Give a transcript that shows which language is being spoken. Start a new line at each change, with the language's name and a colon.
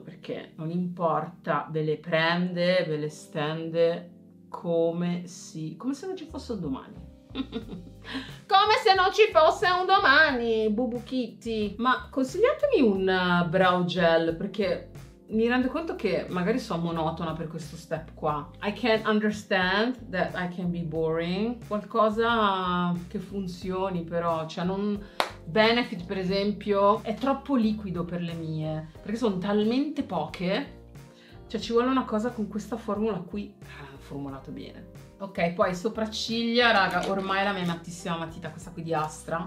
Italian: Perché non importa, ve le prende, ve le stende, come se non ci fosse un domani. Come se non ci fosse un domani, Bubu Kitty. Ma consigliatemi un brow gel, perché mi rendo conto che magari sono monotona per questo step qua.
English: I can understand that I can be boring.
Italian: Qualcosa che funzioni però, cioè non... Benefit per esempio è troppo liquido per le mie, perché sono talmente poche. Cioè ci vuole una cosa con questa formula qui, formulato bene. Ok, poi sopracciglia, raga, ormai la mia amatissima matita, questa qui di Astra.